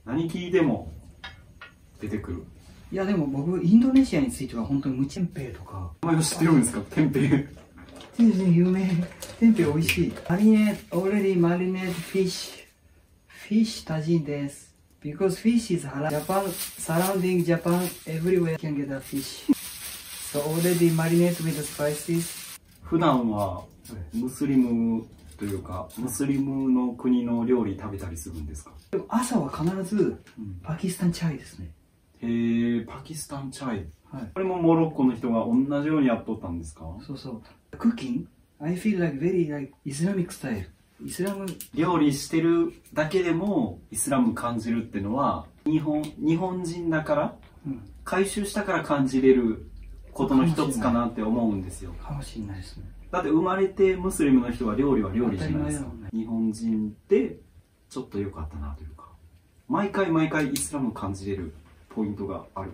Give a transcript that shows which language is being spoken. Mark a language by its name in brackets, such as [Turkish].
[Japanese] 何聞いても、出てくる。いや、でも僕、インドネシアについては本当にムチェンペイとか。名前を知ってるんですか？テンペイ。全然有名。テンペイ美味しい。 [English] マリネ、オーレディマリネーズフィッシュ。フィッシュタジンです。 Because fish is halal. Japan, surrounding Japan, everywhere can get a fish. So already marinated with spices. [Japanese] 普段はムスリムというか、ムスリムの国の料理食べたりするんですか？でも朝は必ずパキスタンチャイですね。へぇ、パキスタンチャイ。はい、これもモロッコの人が同じようにやっとったんですか？そうそう。Cooking? [English] I feel like very like Islamic style. [Japanese] イスラム料理してるだけでもイスラム感じるってのは日本人だから、うん、回収したから感じれることの一つかなって思うんですよ。かもしれないですね。だって生まれてムスリムの人は料理は料理じゃないですか。当たり前だもんね。日本人ってちょっと良かったなというか、毎回毎回イスラム感じれるポイントがある。